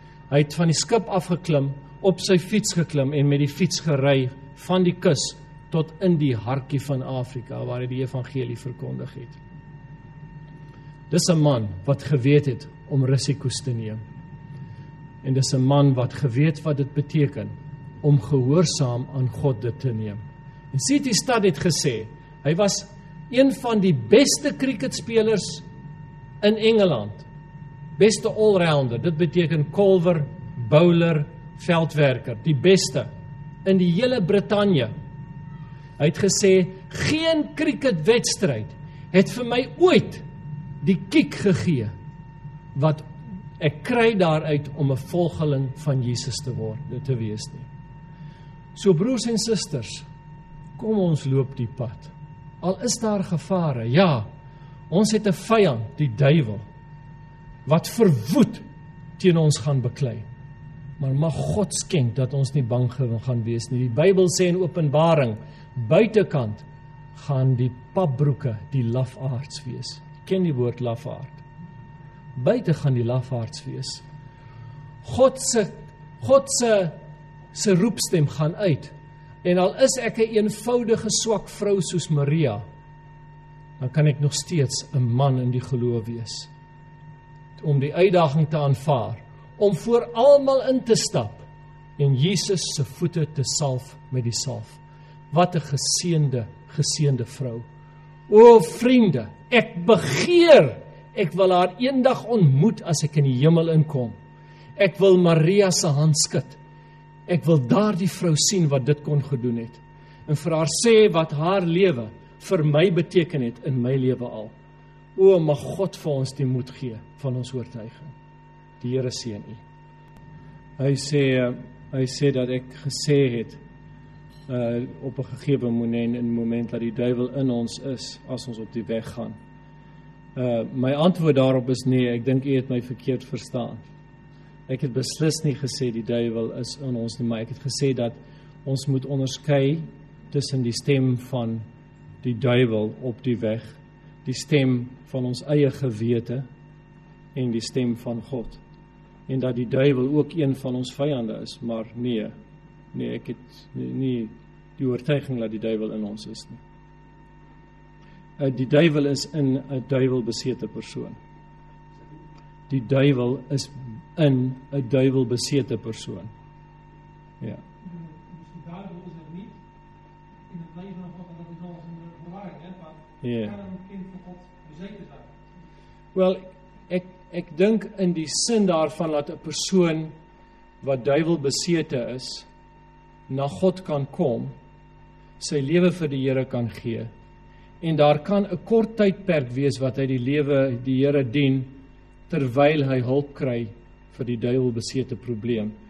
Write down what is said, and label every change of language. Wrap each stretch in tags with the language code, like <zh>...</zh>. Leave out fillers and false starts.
<af>Hy het van die skip afgeklim, op sy fiets geklim en met die fiets gery van die kus tot in die hartjie van Afrika waar hy die evangelie verkondig het. Dis 'n man wat geweet het om risiko's te neem. En dis 'n man wat geweet wat dit beteken om gehoorsaam aan God dit te neem. En Siti Stad het gesê, hy was een van die beste cricketspelers in Engeland. Beste allrounder, dit beteken kolwer, bowler, veldwerker, die beste in die hele Brittanje. Hy het gesê, geen cricketwedstrijd het vir my ooit die kiek gegee wat ek kry daaruit om 'n volgeling van Jesus te word, te wees nie. So broers en susters, kom ons loop die pad. Al is daar gevare, ja, ons het 'n vyand, die duiwel, wat verwoed teen ons gaan beklei. Maar mag God skenk dat ons nie bang gaan wees nie. Die Bybel sê in Openbaring, buitenkant gaan die papbroeke die lafaards wees. Ken die woord lafaard? Buiten gaan die lafaards wees. God se roepstem gaan uit. En al is ek 'n eenvoudige swak vrou soos Maria, dan kan ek nog steeds 'n man in die geloof wees. Om die uitdaging te aanvaar, om voor almal in te stap en Jesus se voete te salf met die salf. Wat 'n geseënde vrou. O vriende, ek begeer, ek wil haar eendag ontmoet as ek in die hemel inkom. Ek wil Maria se hand skud. Ek wil daar die vrou sien wat dit kon gedoen het en vir haar sê wat haar lewe vir my beteken het in my lewe al. O mag God vir ons die moed gee van ons oortuiging. Die Here seën u. Hy sê dat ek gesê het op 'n gegewe moment dat die duiwel in ons is as ons op die weg gaan. My antwoord daarop is nee, ek dink u het my verkeerd verstaan. Ek het beslis nie gesê die duiwel is in ons nie, maar ek het gesê dat ons moet onderskei tussen die stem van die duiwel op die weg, die stem van ons eie gewete en die stem van God, en dat die duiwel ook een van ons vyande is, maar nee, ek het nie die oortuiging dat die duiwel in ons is nie. Die duiwel is in 'n duiwelbesete persoon. Die duiwel is in 'n duiwelbesete persoon. Ja.</af> <nl>Dus die duiwel is er niet in het leven van God, dat is alles in de verwaring, maar kan een kind van God bezeten zijn?</nl> <af>Wel, ek dink in die sin daarvan dat 'n persoon wat duiwelbesete is, na God kan kom, sy lewe vir die Here kan gee, en daar kan 'n kort tydperk wees wat hy die lewe die Here dien, terwyl hy hulp kry vir die duiwelbesete probleem.</af>